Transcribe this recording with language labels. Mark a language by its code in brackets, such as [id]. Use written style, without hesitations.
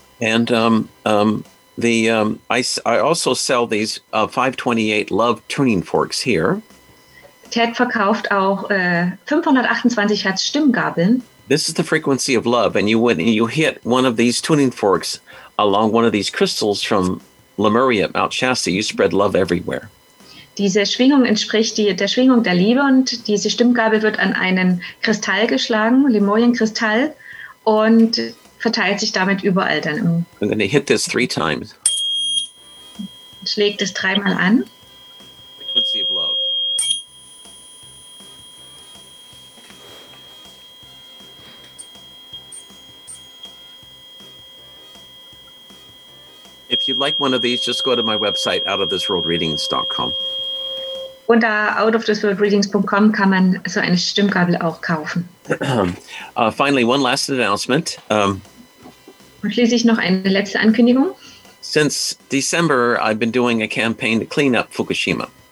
[en] And I also sell these 528 love tuning forks here. [de] Ted verkauft auch 528 Hertz Stimmgabeln. [en] This is the frequency of love, and you hit one of these tuning forks along one of these crystals from Lemuria, Mount Shasta. You spread love everywhere. [de] Diese Schwingung entspricht der Schwingung der Liebe, und diese Stimmgabel wird an einen Kristall geschlagen, Lemurienkristall, und verteilt sich damit überall dann. [en] I'm going to hit this three times. [de] Schlägt es dreimal an. [en] Frequency of love. If you'd like one of these, just go to my website, outofthisworldreadings.com. [de] Unter outofthisworldreadings.com kann man so eine Stimmgabel auch kaufen. [en] Finally, one last announcement. [de] Und schließlich noch eine letzte Ankündigung. [en] Since December, I've been doing a campaign to clean up Fukushima.